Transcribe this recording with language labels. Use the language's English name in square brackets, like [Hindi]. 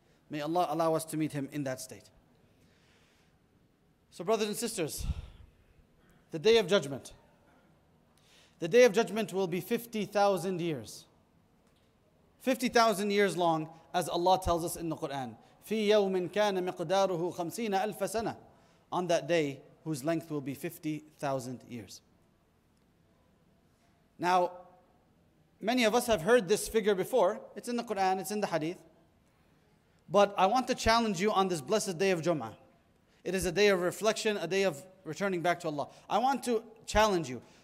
[English] May Allah allow us to meet Him in that state. So brothers and sisters, the Day of Judgment. The Day of Judgment will be 50,000 years. 50,000 years long, as Allah tells us in the Quran. [Arabic] فِي يَوْمٍ كَانَ مِقْدَارُهُ [English] 50,000 years. On that day, whose length will be 50,000 years. Now, many of us have heard this figure before. It's in the Quran, it's in the Hadith. But I want to challenge you on this blessed day of Jum'ah. It is a day of reflection, a day of returning back to Allah. I want to challenge you.